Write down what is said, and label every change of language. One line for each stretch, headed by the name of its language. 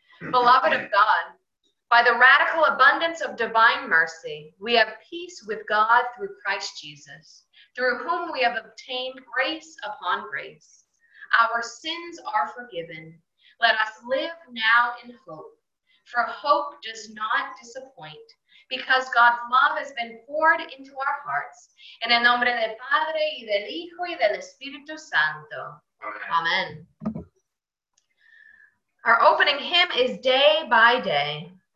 English: Beloved of God, by the radical abundance of divine mercy, we have peace with God through Christ Jesus, through whom we have obtained grace upon grace. Our sins are forgiven. Let us live now in hope, for hope does not disappoint, because God's love has been poured into our hearts. In
Spanish: el nombre del Padre, y del Hijo, y del Espíritu Santo.
English: Amen. Amen. Our opening hymn is Day by Day.